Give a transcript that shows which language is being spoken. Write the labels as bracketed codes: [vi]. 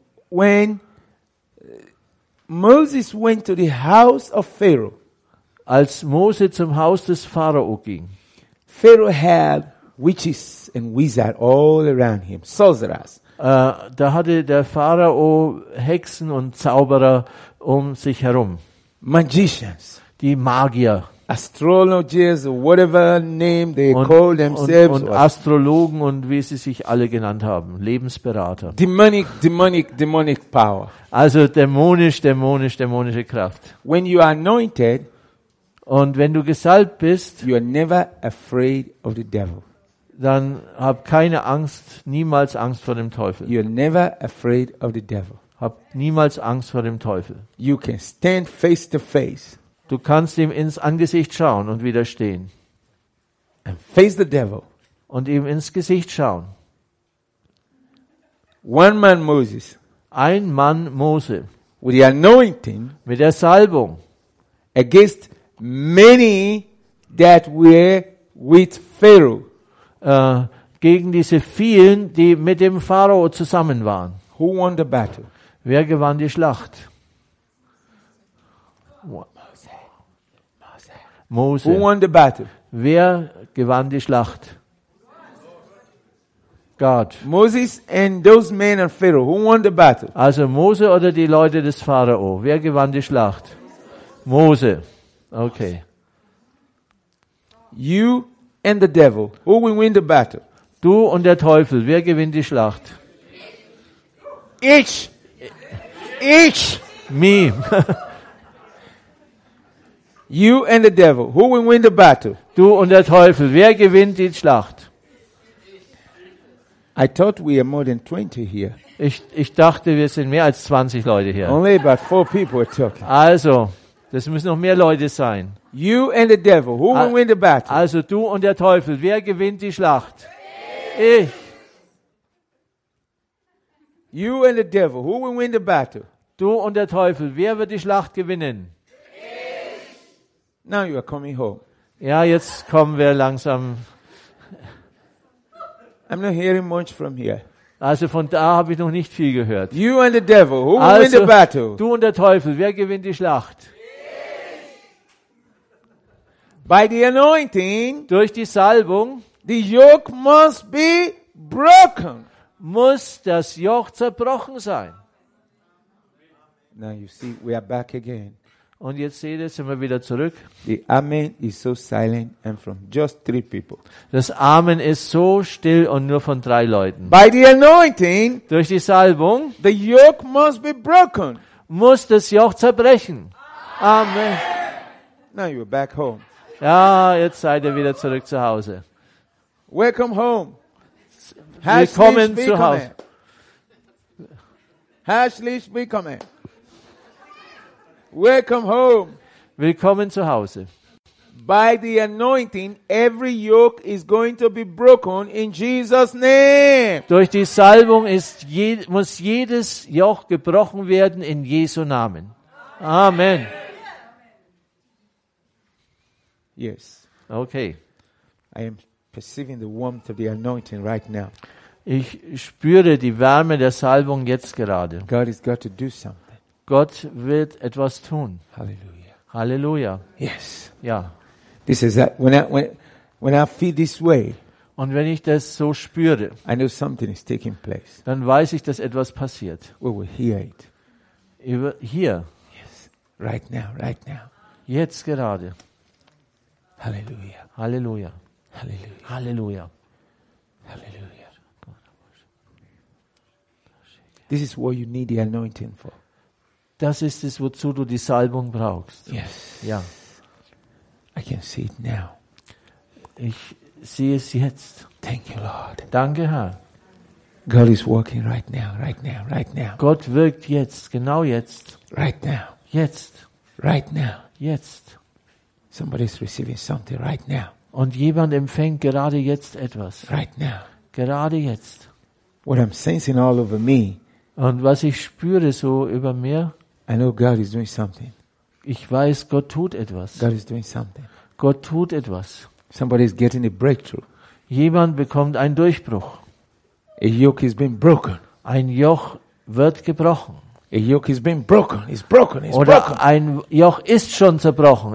[en] When Moses went to the house of Pharaoh, [de] als Mose zum Haus des Pharao ging, [en] Pharaoh had witches and wizards all around him, sorcerers. [de] Da hatte der Pharao Hexen und Zauberer um sich herum, [en] magicians. [de] Die Magier, [en] astrologers, whatever name they call themselves, [de] und Astrologen und wie sie sich alle genannt haben, Lebensberater. [en] Demonic power. [de] Also dämonische Kraft. [en] When you are anointed, [de] und wenn du gesalbt bist, [en] you are never afraid of the devil. [de] Dann hab keine Angst, niemals Angst vor dem Teufel. [en] You are never afraid of the devil. [de] Hab niemals Angst vor dem Teufel. [en] You can stand face to face. [de] Du kannst ihm ins Angesicht schauen und widerstehen. [en] and face the devil [de] und ihm ins Gesicht schauen. [en] One man Moses, [de] ein Mann Mose, [en] with the anointing, [de] mit der Salbung, [en] against many that were with Pharaoh, [de] gegen diese vielen, die mit dem Pharao zusammen waren. [en] Who won the battle? [de] Wer gewann die Schlacht? Mose. [en] Who won the battle? [de] Wer gewann die Schlacht? [en] God. Moses and those men and Pharaoh. Who won the battle? [de] Also Mose oder die Leute des Pharao. Wer gewann die Schlacht? Mose. Okay. [en] You and the devil. Who will win the battle? [de] Du und der Teufel. Wer gewinnt die Schlacht? Ich. Ich. [en] Me. You and the devil. Who will win the battle? [de] Du und der Teufel. Wer gewinnt die Schlacht? [en] I thought we are more than 20 here. [de] Ich dachte, wir sind mehr als 20 Leute hier. [en] Only about 4 people are talking. [de] Also, das müssen noch mehr Leute sein. [en] You and the devil. Who will win the battle? [de] Also, du und der Teufel. Wer gewinnt die Schlacht? Ich. [en] You and the devil. Who will win the battle? [de] Du und der Teufel. Wer wird die Schlacht gewinnen? Ich. [en] Now you are coming home. [de] Ja, jetzt kommen wir langsam. [en] I'm not hearing much from here. [de] Also von da habe ich noch nicht viel gehört. [en] You and the devil, who will win the battle? [de] Du und der Teufel, wer gewinnt die Schlacht? [en] By the anointing, [de] durch die Salbung, [en] the yoke must be broken. [de] Muss das Joch zerbrochen sein. [en] Now you see, we are back again. [de] Und jetzt seht ihr, sind wir wieder zurück. [en] The Amen is so silent and from just 3 people. [de] Das Amen ist so still und nur von 3 Leuten. [en] By the anointing, [de] durch die Salbung, [en] the yoke must be broken. [de] Muss das Joch zerbrechen. Amen. [en] Now you're back home. [de] Ja, jetzt seid ihr wieder zurück zu Hause. [en] Welcome home. [de] Willkommen zu Hause. Herzlich willkommen. [en] Welcome home. [de] Willkommen zu Hause. [en] By the anointing, every yoke is going to be broken in Jesus' name. [de] Durch die Salbung muss jedes Joch gebrochen werden in Jesu Namen. Amen. [en] Yes. Okay. I am perceiving the warmth of the anointing right now. [de] Ich spüre die Wärme der Salbung jetzt gerade. [en] God has got to do something. [de] Gott wird etwas tun. Halleluja. Halleluja. [en] Yes. [de] Ja. [en] This is that when I feel this way. [de] Und wenn ich das so spüre, [en] I know something is taking place. [de] Dann weiß ich, dass etwas passiert. [en] We will hear it. [de] Hier. [en] Yes. Right now, right now. [de] Jetzt gerade. Halleluja. Halleluja. Halleluja. Halleluja. Halleluja. [en] This is what you need the anointing for. [de] Das ist es, wozu du die Salbung brauchst. [en] Yes. [de] Ja. [en] I can see it now. [de] Ich sehe es jetzt. [en] Thank you, Lord. [de] Danke, Herr. [en] God is working right now, right now, right now. [de] Gott wirkt jetzt, genau jetzt. [en] Right now. [de] Jetzt. [en] Right now. [de] Jetzt. [en] Somebody is receiving something right now. [de] Und jemand empfängt gerade jetzt etwas. [en] Right now. [de] Gerade jetzt. [en] What I'm sensing all over me. [de] Und was ich spüre so über mir, [en] I know God is doing something. [de] Ich weiß, Gott tut etwas. [en] God is doing something. [de] Gott tut etwas. [en] Somebody is getting a breakthrough. [de] Jemand bekommt einen Durchbruch. [en] A yoke has been broken. [de] Ein Joch wird gebrochen. [en] A yoke has been broken. It's broken. It's [de] Oder [en] broken. [de] Ein Joch ist schon zerbrochen.